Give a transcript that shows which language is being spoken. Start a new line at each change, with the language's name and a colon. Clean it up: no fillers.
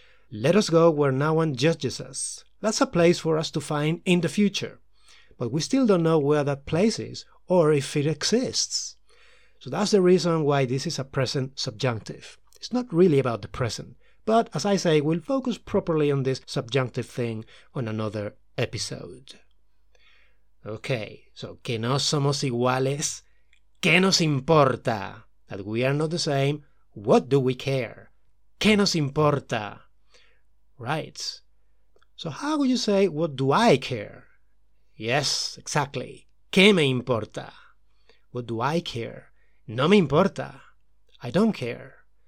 English: Let us go where no one judges us. That's a place for us to find in the future. But we still don't know where that place is or if it exists. So that's the reason why this is a present subjunctive. It's not really about the present. But as I say, we'll focus properly on this subjunctive thing on another episode. Okay, so
Spanish: que no somos iguales, ¿qué nos importa?
English: That we are not the same, what do we care?
Spanish: ¿Qué nos importa?
English: Right. So how would you say, what do I care? Yes, exactly.
Spanish: ¿Qué me importa?
English: What do I care?
Spanish: No me importa.
English: I don't care.